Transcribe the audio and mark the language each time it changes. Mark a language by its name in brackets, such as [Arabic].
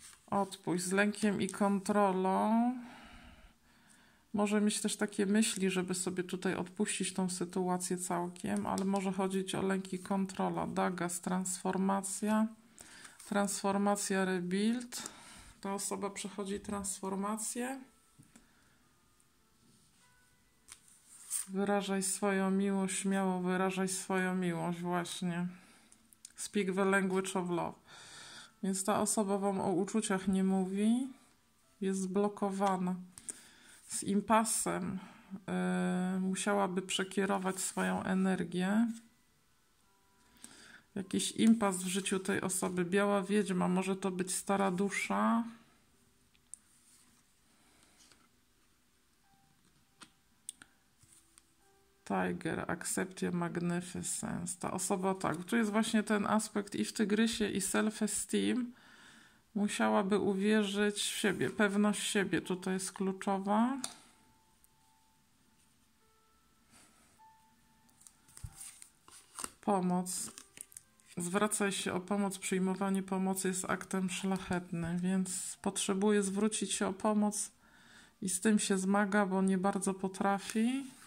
[Polish] Odpuść z lękiem i kontrolą. Może mieć też takie myśli, żeby sobie tutaj odpuścić tą sytuację całkiem, ale może chodzić o lęki, kontrola, dagas, transformacja, transformacja, rebuild. Ta osoba przechodzi transformację. Wyrażaj swoją miłość, śmiało wyrażaj swoją miłość, właśnie. [English] Speak the language of love. [Polish] Więc ta osoba wam o uczuciach nie mówi, jest zblokowana. Z impasem musiałaby przekierować swoją energię. Jakiś impas w życiu tej osoby. Biała wiedźma, może to być stara dusza. [English] Tiger, accept your magnificence. [Polish] Ta osoba, tak, tu jest właśnie ten aspekt i w tygrysie, i self-esteem. Musiałaby uwierzyć w siebie. Pewność siebie tutaj jest kluczowa. Pomoc. Zwracaj się o pomoc. Przyjmowanie pomocy jest aktem szlachetnym, więc potrzebuje zwrócić się o pomoc i z tym się zmaga, bo nie bardzo potrafi.